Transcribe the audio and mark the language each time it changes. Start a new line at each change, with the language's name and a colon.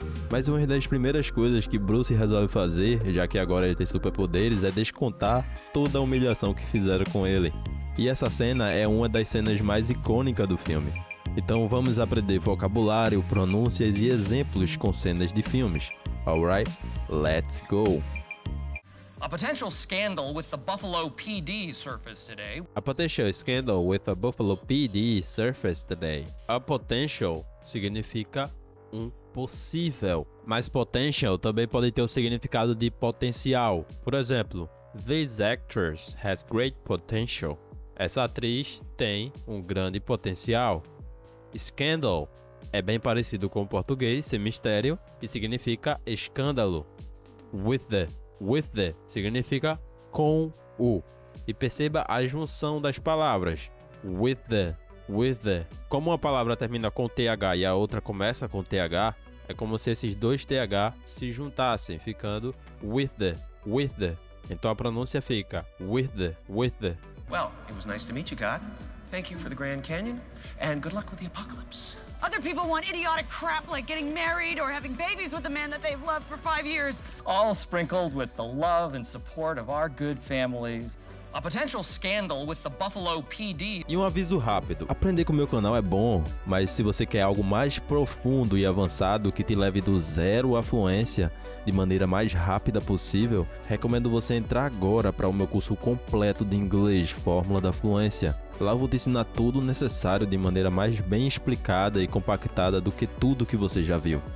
Portuguese: Mas uma das primeiras coisas que Bruce resolve fazer, já que agora ele tem superpoderes, é descontar toda a humilhação que fizeram com ele. E essa cena é uma das cenas mais icônicas do filme. Então vamos aprender vocabulário, pronúncias e exemplos com cenas de filmes.
English: Alright, let's go! A potential scandal with the Buffalo PD surfaced today. A potential scandal with the Buffalo PD surfaced today.
Portuguese: A potential significa um possível, mas potential também pode ter o significado de potencial. Por exemplo,
English: this actress has great potential.
Portuguese: Essa atriz tem um grande potencial. Scandal é bem parecido com o português, sem mistério, e significa escândalo. With the significa com o. E perceba a junção das palavras. With the. Como uma palavra termina com TH e a outra começa com TH, é como se esses dois TH se juntassem, ficando with the. Então a pronúncia fica with the.
English: Well, it was nice to meet you, God. Thank you for the Grand Canyon and good luck with the apocalypse. Other people want idiotic crap like getting married or having babies with a man that they've loved for 5 years. All sprinkled with the love and support of our good families. A potential scandal with the Buffalo PD.
Portuguese: E um aviso rápido. Aprender com meu canal é bom, mas se você quer algo mais profundo e avançado que te leve do zero à fluência de maneira mais rápida possível, recomendo você entrar agora para o meu curso completo de inglês, Fórmula da Fluência. Lá eu vou te ensinar tudo o necessário de maneira mais bem explicada e compactada do que tudo que você já viu.